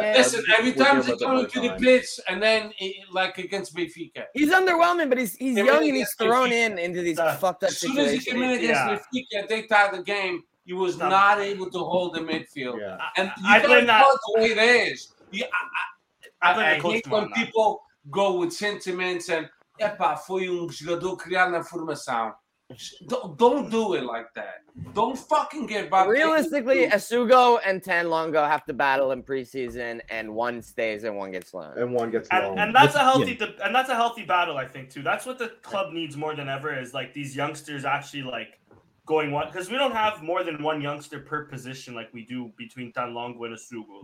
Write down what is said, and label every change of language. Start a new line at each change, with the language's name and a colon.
English: Listen, every time he's coming to the pitch and then like against Benfica. He's underwhelming, but he's young and he's thrown into these fucked up situations. As soon as he came in against Benfica, they tied the game. He was not able to hold the midfield. And you can't call it the way it is. I hate when people go with sentiments and
Portuguese: epa, foi jogador criado na formação.
English: Don't do it like that. Don't fucking get back. Realistically, Esugo and Tan Longo have to battle in preseason, and one stays and one gets loaned. And that's a healthy battle, I think, too. That's what the club needs more than ever is like these youngsters actually like going one, because we don't have more than one youngster per position like we do between Tan Longo and Esugo.